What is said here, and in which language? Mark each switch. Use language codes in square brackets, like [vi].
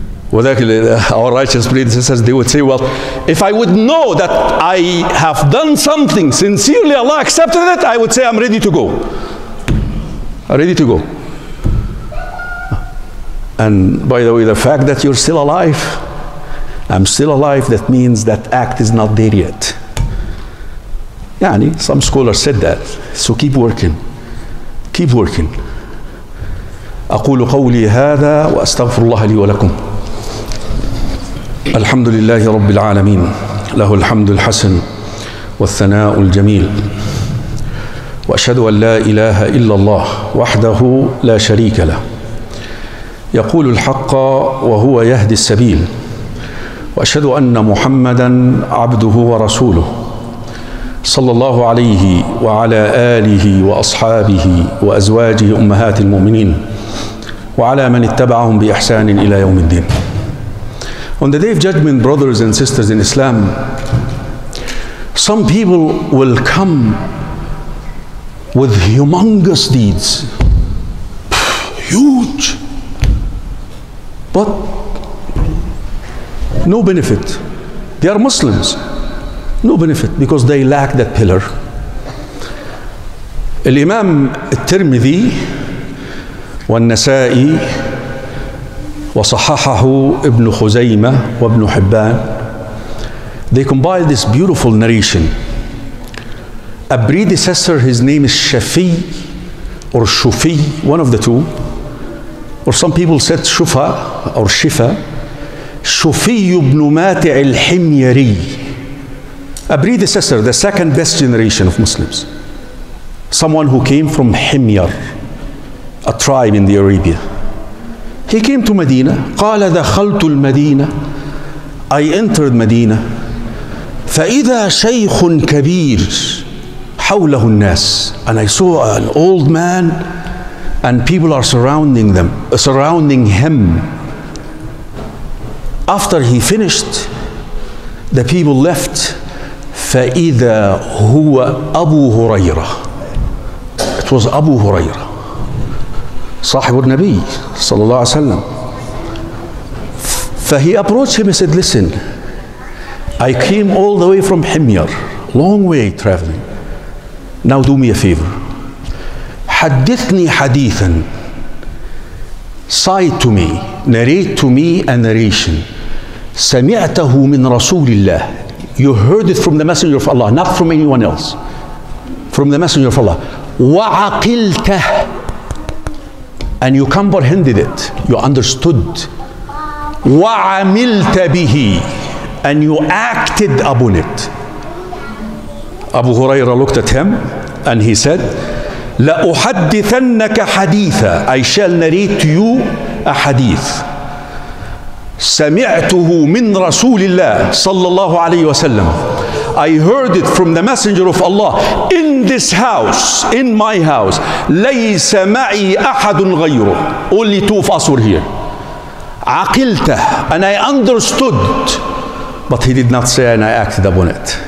[en] Well, our righteous predecessors, they would say, well, if I would know that I have done something sincerely, Allah accepted it, I would say, I'm ready to go. Ready to go. And by the way, the fact that you're still alive, I'm still alive, that means that act is not there yet. Yani, some scholars said that. So keep working. Keep working. [ar] أقول قولي هذا وأستغفر الله لي ولكم. الحمد لله رب العالمين، له الحمد الحسن والثناء الجميل، وأشهد أن لا إله إلا الله وحده لا شريك له، يقول الحق وهو يهدي السبيل، وأشهد أن محمدًا عبده ورسوله، صلى الله عليه وعلى آله وأصحابه وأزواجه أمهات المؤمنين، وعلى من اتبعهم بإحسان إلى يوم الدين. [en] On the day of judgment, brothers and sisters in Islam, some people will come with humongous deeds, huge, but no benefit. They are Muslims, no benefit, because they lack that pillar. [ar] الإمام الترمذي والنسائي وصححه ابن خزيمة وابن حبان. [en] They compiled this beautiful narration. A predecessor, his name is Shafi or Shufi, one of the two. Or some people said Shufa or Shifa. Shufi ibn Mati' al-Himyari. A predecessor, the second best generation of Muslims. Someone who came from Himyar, a tribe in the Arabia. He came to Medina. [ar] قال دخلت المدينة. [en] I entered Medina. [ar] فإذا شيخ كبير حوله الناس. [en] And I saw an old man and people are surrounding them, surrounding him. After he finished, the people left. [ar] فإذا هو أبو هريرة. [en] It was [ar] أبو هريرة. صاحب النبي صلى الله عليه وسلم. [en] فهي approached him and said, listen, I came all the way from Himyar, long way traveling. Now do me a favor. [ar] حدثني حديثا. [en] Cite to me, narrate to me a narration. [ar] سمعته من رسول الله. [en] You heard it from the Messenger of Allah, not from anyone else. From the Messenger of Allah. [ar] وعقلته. [en] And you comprehended it. You understood. [ar] وعملت به. [en] And you acted upon it. Abu Huraira looked at him and he said, [ar] لأحدثنك حديثا. [en] I shall narrate you a hadith. [ar] سمعته من رسول الله صلى الله عليه وسلم. [en] I heard it from the Messenger of Allah in this house, in my house. [ar] ليس معي أحد غيره. [en] Only two of us were here. [ar] عقلته. [en] And I understood. But he did not say, and I acted upon it.